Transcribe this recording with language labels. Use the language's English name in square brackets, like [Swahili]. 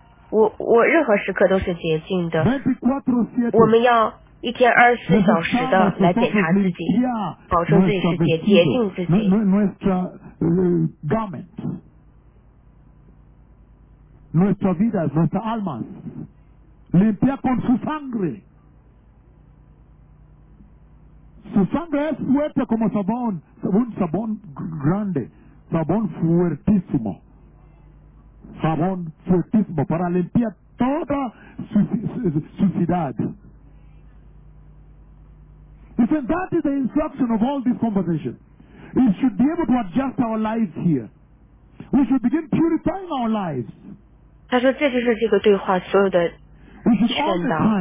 [Chinese] 我任何时刻都是洁净的。我们要一天24小时的来检查自己，保证自己是洁净自己。 [Spanish] Su sangre es fuerte como sabón, un sabón grande, sabón fuertísimo, sabón fuertísimo para limpiar toda su ciudad. [English] He said that is the instruction of all this conversation. We should be able to adjust our lives here. We should begin purifying our lives. [Chinese] 他说这就是这个对话所有的劝导。